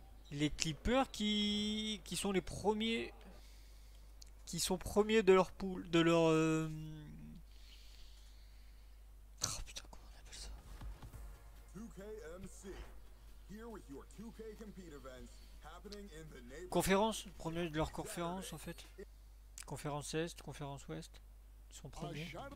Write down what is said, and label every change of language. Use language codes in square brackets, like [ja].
[fr] Les Clippers qui sont les premiers qui sont premiers de leur poule de leur oh putain comment on appelle ça [en] 2KMC. Here with your 2K compete events happening in the neighborhood. [fr] Conférence premiers de leur conférence en fait conférence Est conférence Ouest ils sont premiers.